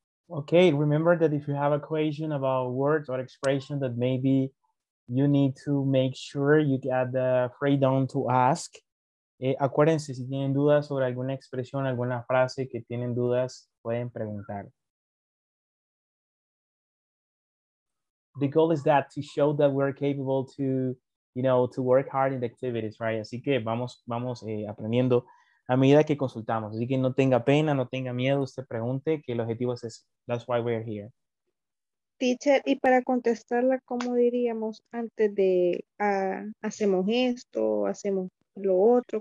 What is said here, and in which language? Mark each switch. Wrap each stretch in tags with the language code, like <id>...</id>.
<en>Okay, remember that if you have a question about words or expression that maybe you need to make sure you get the freedom to ask.</en> <es>Acuérdense, si tienen dudas sobre alguna expresión, alguna frase que tienen dudas, pueden preguntar.</es> <en>The goal is that to show that we're capable to, you know, to work hard in the activities, right?</en> <es>Así que vamos aprendiendo a medida que consultamos. Así que no tenga pena, no tenga miedo, usted pregunte, que el objetivo es eso.</es> <en>That's why we're here.</en> <es>Teacher, y para contestarla, ¿cómo diríamos antes de hacemos esto, hacemos lo otro?</es>